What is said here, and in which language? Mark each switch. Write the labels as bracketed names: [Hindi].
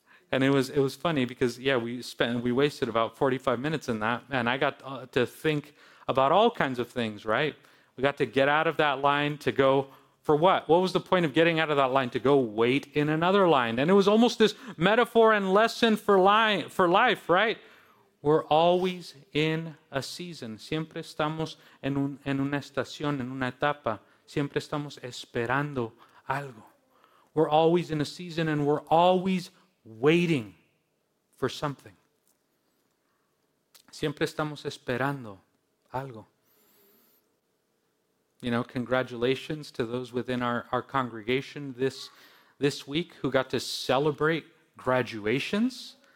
[English] And it was funny because, yeah, we wasted about 45 minutes in that, and I got to think about all kinds of things, right? We got to get out of that line to go for what? What was the point of getting out of that line? To go wait in another line. And it was almost this metaphor and lesson for life, right? We're always in a season. [Spanish] Siempre estamos en una estación, en una etapa. Siempre estamos esperando algo. [English] We're always in a season and we're always waiting for something. [Spanish] Siempre estamos esperando algo. [English] You know, congratulations to those within our congregation this week who got to celebrate graduations.